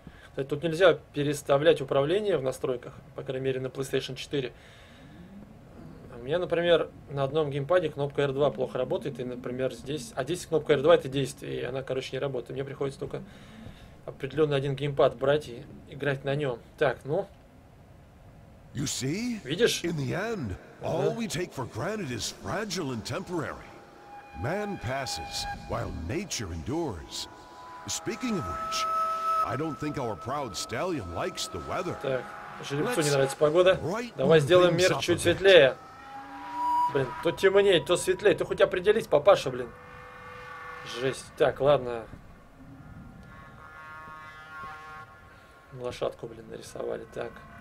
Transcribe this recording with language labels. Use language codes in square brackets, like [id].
[ru] Кстати, тут нельзя переставлять управление в настройках, по крайней мере, на PlayStation 4. У меня, например, на одном геймпаде кнопка R2 плохо работает, и, например, здесь... А здесь кнопка R2 — это действие, и она, короче, не работает. Мне приходится только определенный один геймпад брать и играть на нем. Так, ну... [en] You see? [ru] Видишь? [en] In the end, all we take for granted is fragile and temporary. Man passes, while nature endures. Speaking of which, I don't think our proud stallion likes the weather. [ru] Так, жеребцу не нравится погода. Давай сделаем мир чуть светлее. Блин, то темнее, то светлее. Ты хоть определись, папаша, блин. Жесть. Так, ладно. Лошадку, блин, нарисовали. Так.